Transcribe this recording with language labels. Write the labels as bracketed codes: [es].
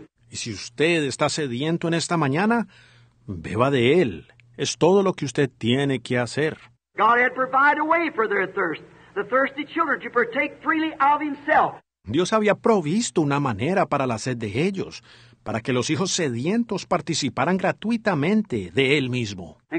[es] Y si usted está sediento en esta mañana, beba de Él. Es todo lo que usted tiene que hacer. [en] God had provided a way for their thirst, the thirsty children to partake freely of Himself. [es] Dios había provisto una manera para la sed de ellos, para que los hijos sedientos participaran gratuitamente de Él mismo.